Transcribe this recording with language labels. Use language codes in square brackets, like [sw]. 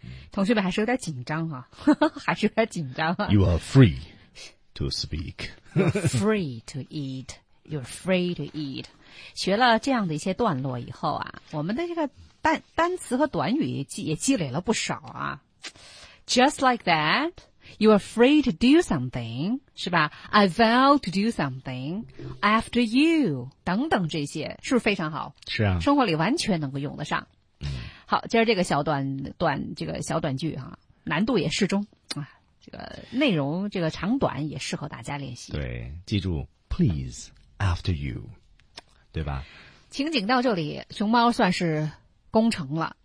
[zh] 同学们还是有点紧张啊，呵呵还是有点紧张啊。 [en] You are free to speak, free to eat, you're free to eat. [zh] 学了这样的一些段落以后啊，我们的这个单词和短语也积累了不少啊。 [en] Just like that, you are free to do something, [zh] 是吧 [en] ?I vow to do something after you, [zh] 等等这些是不是非常好？是啊。生活里完全能够用得上。好，今儿这个小短句啊，难度也适中啊，这个内容这个长短也适合大家练习。对，记住 [en] please after you, [zh] 对吧？情景到这里熊猫算是攻城了。